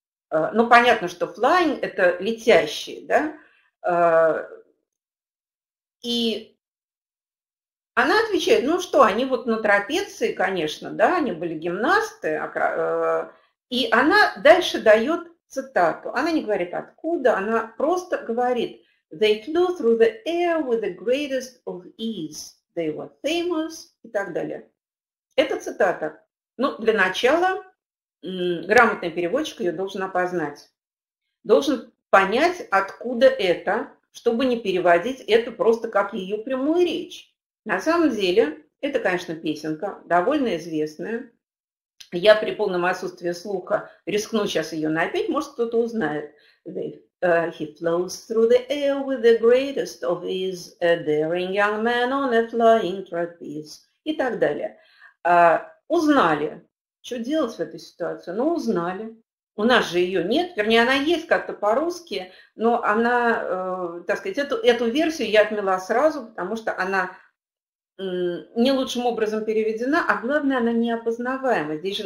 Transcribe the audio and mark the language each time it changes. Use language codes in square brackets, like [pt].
[ru] Ну, понятно, что flying – это летящие, да? И она отвечает, ну что, они вот на трапеции, конечно, да, они были гимнасты. И она дальше дает цитату. Она не говорит, откуда, она просто говорит. [en] They flew through the air with the greatest of ease. They were famous [ru] и так далее. Это цитата. Ну, для начала грамотный переводчик ее должен опознать. Должен понять, откуда это, чтобы не переводить это просто как ее прямую речь. На самом деле, это, конечно, песенка, довольно известная. Я при полном отсутствии слуха рискну сейчас ее напеть, может, кто-то узнает. [en] He flows through the air with the greatest of ease, a daring young man on a flying trapeze. [ru] И так далее. Узнали. Что делать в этой ситуации? Ну, узнали. У нас же ее нет. Вернее, она есть как-то по-русски, но она, так сказать, эту версию я отмела сразу, потому что она не лучшим образом переведена, а главное, она неопознаваема.